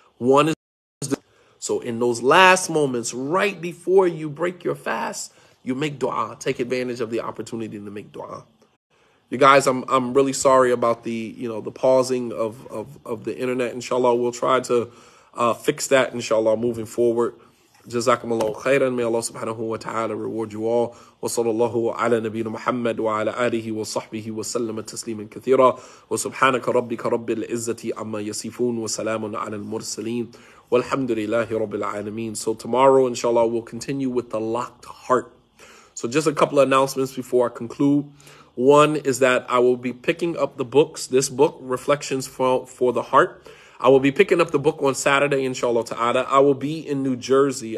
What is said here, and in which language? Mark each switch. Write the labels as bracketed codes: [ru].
[en] One is the... So in those last moments, right before you break your fast, you make dua. Take advantage of the opportunity to make dua. You guys, I'm really sorry about the, you know, the pausing of the internet. Inshallah, we'll try to fix that, inshallah, moving forward. [ar] جزاكم الله خيرا من الله سبحانه وتعالى [en] reward you all [ar] وصلى الله على نبينا محمد وعلى آله وصحبه وسلم تسليما كثيرا وسبحانك ربك رب العزة عما يصفون وسلام على المرسلين والحمد لله رب العالمين. [en] So tomorrow inshallah we'll continue with the locked heart. So just a couple of announcements before I conclude. One is that I will be picking up the books, this book, Reflections for the Heart. I will be picking up the book on Saturday, inshallah ta'ala. I will be in New Jersey.